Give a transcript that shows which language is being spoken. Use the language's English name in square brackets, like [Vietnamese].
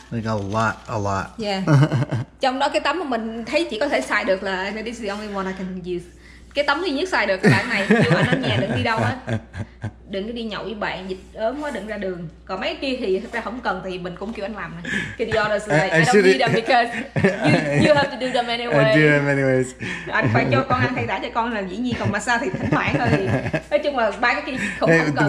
[English] Like a lot. Yeah. [Vietnamese] Trong đó cái tấm mà mình thấy chỉ có thể xài được là [English] this is the only one I can use. [Vietnamese] Cái tấm duy nhất xài được cái bạn này, kêu anh ở nhà đừng đi đâu á. đừng có đi nhậu với bạn, dịch ớm quá đừng ra đường. Còn mấy kia thì thật ra không cần, thì mình cũng kêu anh làm này. [English] Can you order today? I don't need them because you have to do them anyways. [Vietnamese] Anh phải cho con ăn thay đã cho con là dĩ nhiên, còn massage thì thỉnh thoảng thôi. Nói chung là ba cái kia không, hey, không cần.